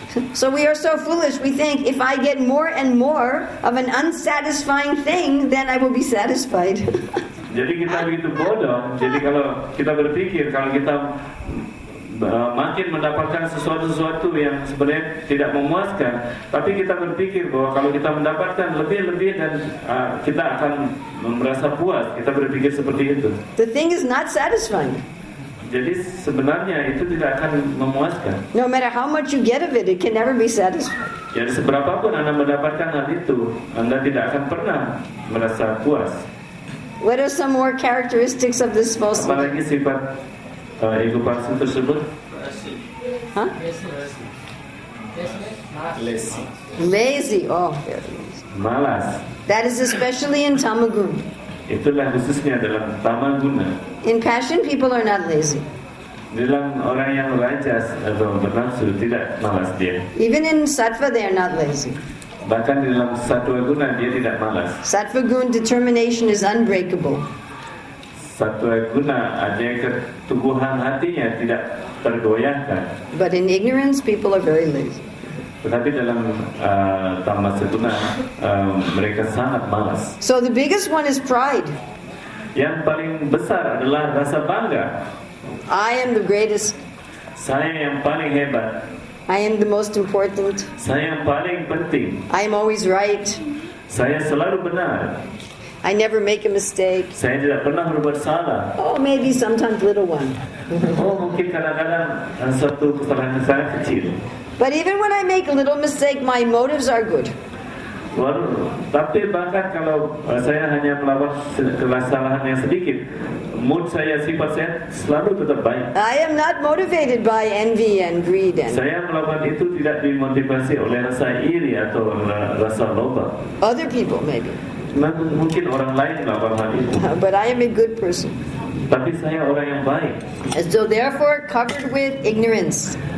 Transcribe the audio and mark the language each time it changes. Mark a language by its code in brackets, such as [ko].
[en] So we are so foolish, we think if I get more and more of an unsatisfying thing, then I will be satisfied. [id] Jadi kita begitu bodoh, jadi kalau kita berpikir, kalau kita makin mendapatkan sesuatu-sesuatu yang sebenarnya tidak memuaskan, tapi kita berpikir bahwa kalau kita mendapatkan lebih-lebih dan kita akan merasa puas, kita berpikir seperti itu. [en] The thing is not satisfying. [id] Jadi sebenarnya itu tidak akan memuaskan. [en] No matter how much you get of it, it can never be satisfied. [id] Jadi seberapapun Anda mendapatkan hal itu, Anda tidak akan pernah merasa puas. [en] What are some more characteristics of this false ego? [id] Apalagi sifat ego palsu tersebut? [en] Lazy. Oh, [id] malas. [en] That is especially in tamaguna. [id] Itulah khususnya dalam tamaguna. [en] In passion, people are not lazy. [id] Dalam orang yang rajas atau bernafsu tidak malas dia. [en] Even in sattva, they are not lazy. [id] Bahkan dalam sattva guna dia tidak malas. [en] Sattva guna determination is unbreakable. [id] Sattva guna ada keteguhan hatinya tidak tergoyahkan. [en] But in ignorance, people are very lazy. [id] Tetapi dalam tamas guna mereka sangat malas. [en] So the biggest one is pride. [id] Yang paling besar adalah rasa bangga. [en] I am the greatest. [id] Saya yang paling hebat. [en] I am the most important. [id] Saya yang paling penting. [en] I am always right. [id] Saya selalu benar. [en] I never make a mistake. [id] Saya tidak pernah berbuat salah. [en] Oh, maybe sometimes little one. [id] Oh, mungkin kadang-kadang satu kesalahan saya kecil. [en] But even when I make a little mistake, my motives are good. [id] Tapi bahkan kalau saya hanya melakukan kesalahan yang sedikit, mood saya, sifat saya selalu tetap baik. [en] I am not motivated by envy and greed. [id] Saya melakukan itu tidak dimotivasi oleh rasa iri atau rasa loba. [en] Other people maybe. [id] Mungkin orang lain melakukan hal itu. [en] But I am a good person. [id] Tapi saya orang yang baik. [en] So therefore covered with ignorance.